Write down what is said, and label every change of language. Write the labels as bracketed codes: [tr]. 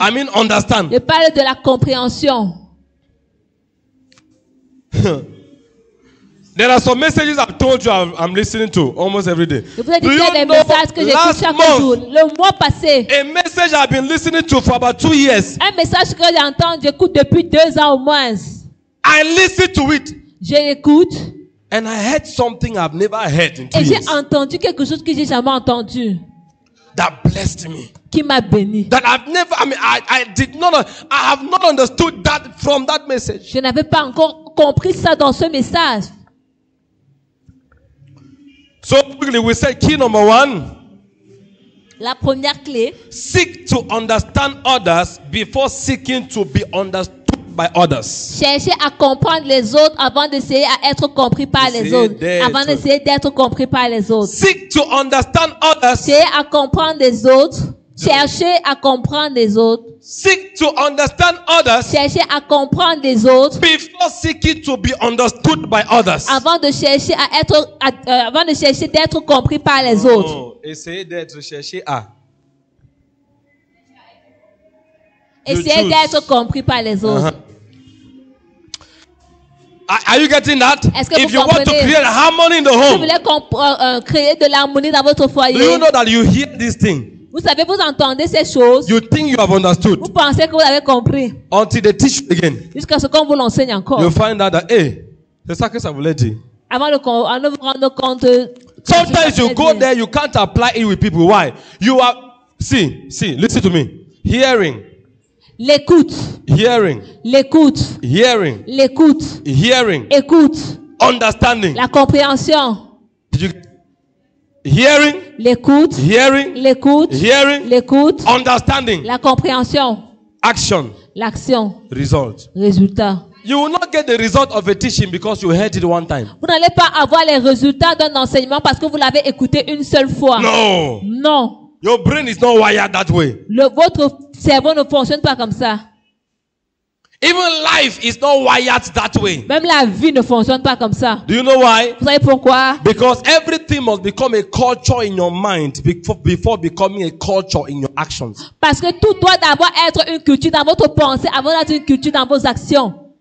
[en] I mean understand. [fr] Je parle de la compréhension. [en] There are some messages I've told you I'm listening to almost every day. Do you know last month, [fr] le mois passé, [en] a message I've been listening to for about 2 years. [fr] Un message que j'entends, j'écoute depuis 2 ans au moins. [en] I listen to it. [fr] J'écoute. [en] And I heard something I've never heard in 2 years. [fr] Et j'ai entendu quelque chose que j'ai jamais entendu. [en] That blessed me. [fr] Qui m'a béni. [en] That I've never, I mean, I did not, I have not understood that from that message. [fr] Je n'avais pas encore compris ça dans ce message. [en] So quickly, we said key number one. [fr] La première clé. [en] Seek to understand others before seeking to be understood by others. [fr] Cherchez à comprendre les autres avant d'essayer à être compris par les autres. Avant d'essayer d'être compris par les autres. [en] Seek to understand others. [fr] Cherchez à comprendre les autres. Cherchez à comprendre les autres. [en] Seek to understand others. [fr] Cherchez à comprendre les autres. [en] Before seeking to be understood by others. [fr] Avant de chercher à être, avant de chercher d'être compris par les autres. Essayez d'être cherché à. Essayez d'être compris par les autres. [en] Are you getting that? [fr] Est-ce que [en] if you want to create harmony in the home. [fr] Si vous voulez créer de l'harmonie dans votre foyer. [en] Do you know that you hear this thing? [fr] Vous savez, vous entendez ces choses. [en] You think you have understood. [fr] Vous pensez que vous avez compris. [en] Until they teach you again. [fr] Jusqu'à ce qu'on vous l'enseigne encore. [en] You find out that, hey, [fr] c'est ça que ça voulait dire. Avant de vous rendre compte. [en] Sometimes you go there, you can't apply it with people. Why? You are, see, listen to me. Hearing. [fr] L'écoute. [en] Hearing. [fr] L'écoute. [en] Hearing. [fr] L'écoute. [en] Hearing. [fr] Écoute. [en] Understanding. [fr] La compréhension. [en] Hearing, [fr] l'écoute, [en] hearing, [fr] l'écoute, [en] hearing, [fr] l'écoute, [en] understanding, [fr] la compréhension, [en] action, [fr] l'action, [en] result, [fr] résultat. [en] You will not get the result of a teaching because you heard it one time. [fr] Vous n'allez pas avoir les résultats d'un enseignement parce que vous l'avez écouté une seule fois. [en] No. [fr] Non. [en] Your brain is not wired that way. [fr] Votre cerveau ne fonctionne pas comme ça. [en] Even life is not wired that way. [fr] Même la vie ne fonctionne pas comme ça. [en] Do you know why? [fr] Vous savez pourquoi? [en] Because everything must become a culture in your mind before becoming a culture in your actions. [fr] Parce que tout doit d'abord être une culture dans votre pensée avant d'être une culture dans vos actions.